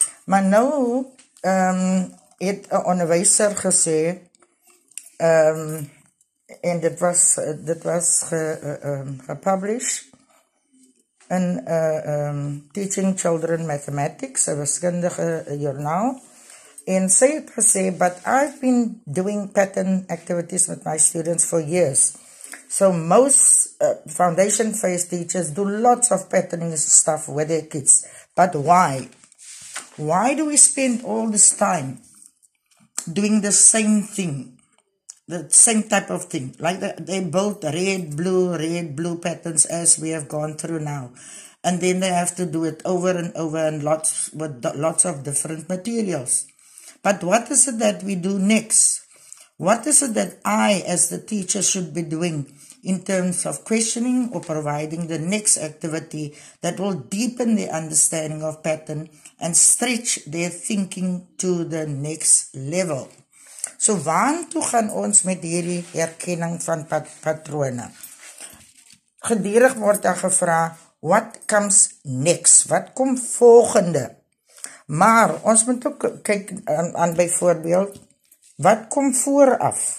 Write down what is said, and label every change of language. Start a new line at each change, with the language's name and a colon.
Afrikaans: Maar nou het een onderwijzer gesê, en dit was gepublished, in Teaching Children Mathematics, een wiskundige journaal,
English: and say it to say, but I've been doing pattern activities with my students for years. So most foundation phase teachers do lots of patterning stuff with their kids. But why? Why do we spend all this time doing the same thing? The same type of thing. Like they built red, blue patterns as we have gone through now. And then they have to do it over and over and lots of different materials. But what is it that we do next? What is it that I, as the teacher, should be doing in terms of questioning or providing the next activity that will deepen the understanding of pattern and stretch their thinking to the next level?
Afrikaans: So, waartoe gaan ons met hierdie herkenning van patrone? Gedurig word daar gevra,
English: what comes next?
Afrikaans: Wat kom volgende? Maar, ons moet ook kyk aan byvoorbeeld, wat kom vooraf?